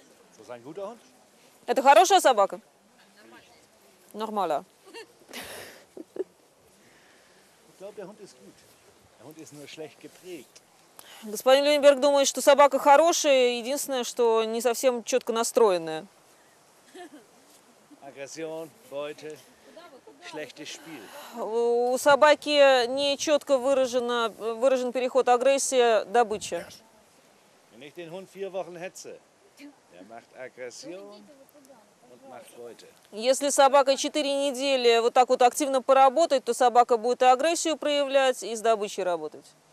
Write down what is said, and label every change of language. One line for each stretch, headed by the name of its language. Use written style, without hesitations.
German: Ist das ein guter Hund?
Russian: Это хорошая собака? Нормально.
German: Ich glaube, der Hund ist gut. Der Hund ist nur schlecht geprägt.
Russian: Господин Люнберг думает, что собака хорошая, единственное, что не совсем четко настроенная. Агрессион, бойте, schlechtes Spiel. У собаки не четко выражен переход агрессия добыча.
German: Wenn ich den Hund vier Wochen hetze, der macht Aggression.
Russian: Если собака 4 недели вот так вот активно поработает, то собака будет и агрессию проявлять, и с добычей работать.